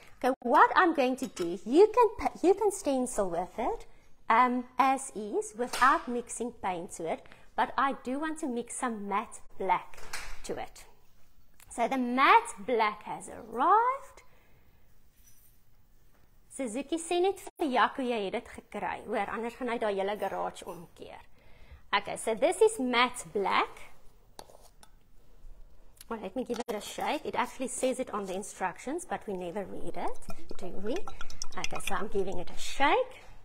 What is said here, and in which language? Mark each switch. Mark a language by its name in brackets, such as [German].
[English] Okay, what I'm going to do, you can stencil with it as is without mixing paint to it, but I do want to mix some matte black to it. So the matte black has arrived. [Afrikaans] Suzuki sien net vir Jaco, jy het dit gekry. Hoor, anders gaan hy daai hele garage omkeer. [English] Okay, so this is matte black. Well, let me give it a shake. It actually says it on the instructions, but we never read it, do we? Okay, so I'm giving it a shake.